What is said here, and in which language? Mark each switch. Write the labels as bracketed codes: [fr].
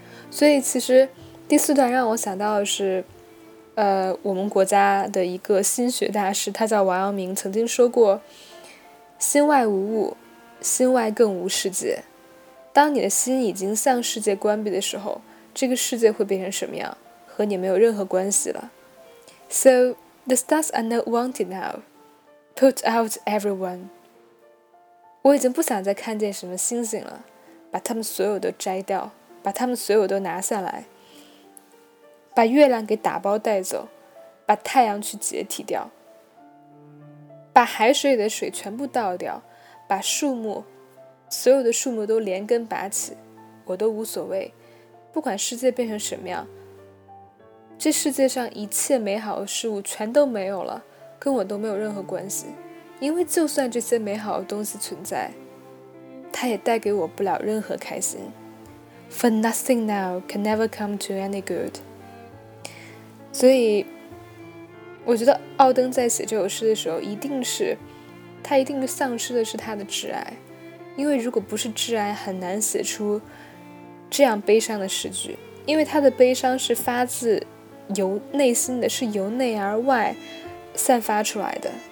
[zh] 所以其实第四段让我想到的是我们国家的一个心学大师，他叫王阳明，曾经说过，心外无物，心外更无世界。当你的心已经向世界关闭的时候，这个世界会变成什么样和你没有任何关系了。 [en] So the stars are not wanted now, put out everyone. [zh] 我已经不想再看见什么星星了，把他们所有都摘掉，把他们所有都拿下来，把月亮给打包带走，把太阳去解体掉，把海水里的水全部倒掉，把树木，所有的树木都连根拔起，我都无所谓。不管世界变成什么样，这世界上一切美好的事物全都没有了，跟我都没有任何关系。因为就算这些美好的东西存在，它也带给我不了任何开心。 [en] For nothing now can ever come to any good. [zh] 所以我觉得奥登在写这首诗的时候，他一定丧失的是他的挚爱，因为如果不是挚爱，很难写出这样悲伤的诗句。因为他的悲伤是发自由内心的，是由内而外散发出来的。